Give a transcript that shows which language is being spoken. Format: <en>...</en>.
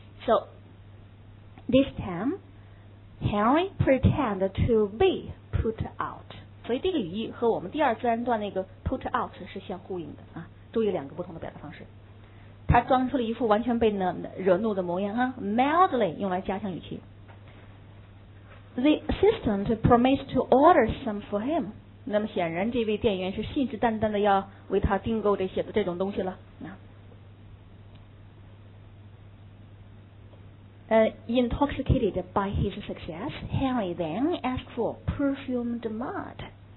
<en>So this time, Henry pretended to be put out.</en> <zh>所以这个语义和我们第二自然段那个 put out 是相呼应的啊，注意两个不同的表达方式。他装出了一副完全被惹怒的模样啊 ，mildly 用来加强语气。</zh> <en>The assistant promised to order some for him.</en> <zh>那么显然这位店员是信誓旦旦的要为他订购这些的这种东西了啊。</zh> <en>Intoxicated by his success, Henry then asked for perfumed mud.</en>